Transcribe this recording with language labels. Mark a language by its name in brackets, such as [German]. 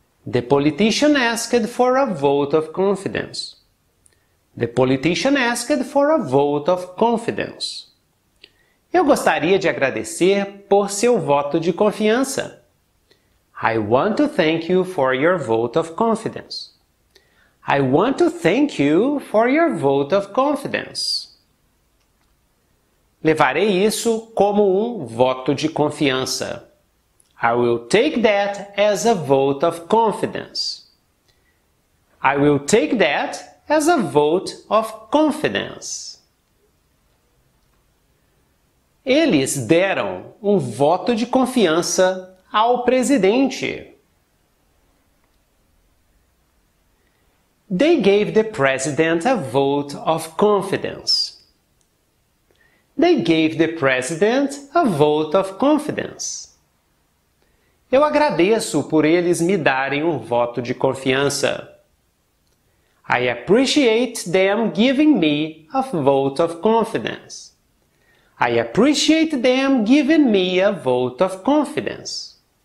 [English] The politician asked for a vote of confidence. The politician asked for a vote of confidence. [Portuguese] Eu gostaria de agradecer por seu voto de confiança. [English] I want to thank you for your vote of confidence. I want to thank you for your vote of confidence. [Portuguese] Levarei isso como um voto de confiança. [English] I will take that as a vote of confidence. I will take that as a vote of confidence. [Portuguese] Eles deram um voto de confiança ao presidente. [English] They gave the president a vote of confidence. They gave the president a vote of confidence. [Portuguese] Eu agradeço por eles me darem um voto de confiança. [English] I appreciate them giving me a vote of confidence. I appreciate them giving me a vote of confidence.